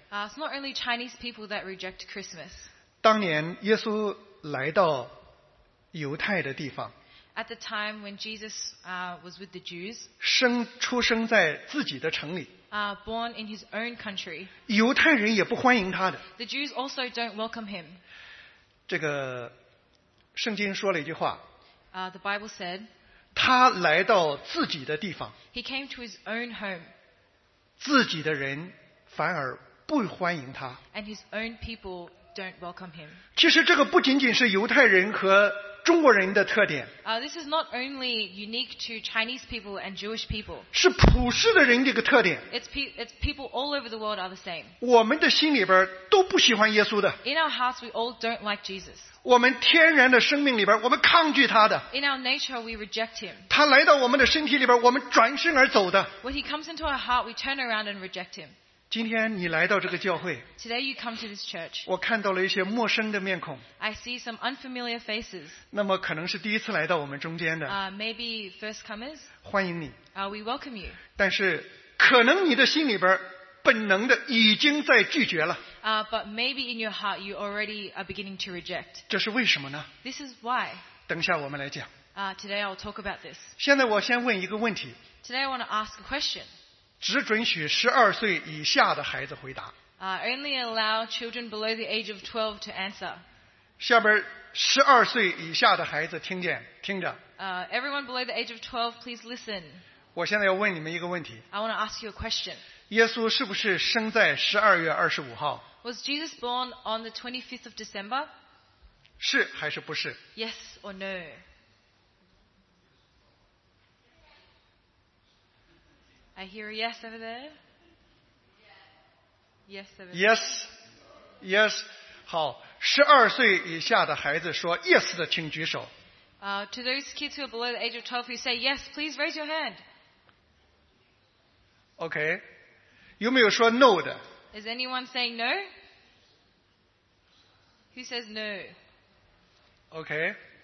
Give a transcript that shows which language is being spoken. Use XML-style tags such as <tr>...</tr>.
<en>It's not only Chinese people that reject Christmas.</en> <zh>当年耶稣来到犹太的地方。</zh> <en>At the time when Jesus was with the Jews,</en> <zh>出生在自己的城里</zh> <en>born in his own country,</en> <zh>犹太人也不欢迎他的</zh> <en>the Jews also don't welcome him.</en> <zh>这个圣经说了一句话</zh> <en>the Bible said,</en> <zh>他来到自己的地方</zh> <en>he came to his own home,</en> <zh>自己的人反而不欢迎他</zh> <en>and his own people don't welcome him.</en> <zh>其实这个不仅仅是犹太人和中国人的特点</zh> <en>This is not only unique to Chinese people and Jewish people.</en> <zh>是普世的人的一个特点</zh> <en>It's people all over the world are the same.</en> <zh>我们的心里边都不喜欢耶稣的</zh> <en>In our hearts, we all don't like Jesus.</en> <zh>我们天然的生命里边，我们抗拒他的</zh> <en>In our nature, we reject him.</en> <zh>他来到我们的身体里边，我们转身而走的</zh> <en>When he comes into our heart, we turn around and reject him.</en> <zh>今天你来到这个教会</zh> <en>Today you come to this church.</en> <zh>我看到了一些陌生的面孔</zh> <en>I see some unfamiliar faces.</en> <zh>那么可能是第一次来到我们中间的</zh> <en>Maybe first comers.</en> <zh>欢迎你</zh> <en>We welcome you.</en> <zh>但是可能你的心里边本能的已经在拒绝了</zh> <en>But maybe in your heart you already are beginning to reject.</en> <zh>这是为什么呢</zh> <en>This is why.</en> <zh>等下我们来讲</zh> <en>Today I'll talk about this.</en> <zh>现在我先问一个问题</zh> <en>Today I want to ask a question.</en> <zh>只准许12岁以下的孩子回答。</zh> <en>Only allow children below the age of 12 to answer.</en> <zh>下边12岁以下的孩子听见，听着。</zh> <en>Everyone below the age of 12, please listen.</en> <zh>我现在要问你们一个问题。</zh> <en>I want to ask you a question.</en> <zh>耶稣是不是生在12月25号</zh> <en>？Was Jesus born on the 25th of December?</en> <zh>是还是不是</zh> <en>？Yes or no? I hear a yes over there. Yes over there. Yes. Yes.</en> <zh>好，十二岁以下的孩子说 yes 的，请举手。</zh> <en>To those kids who are below the age of 12 who say yes, please raise your hand.</en> <zh>Okay. 有没有说 no 的</zh> <en>？Is anyone saying no? Who says no? Okay.</en>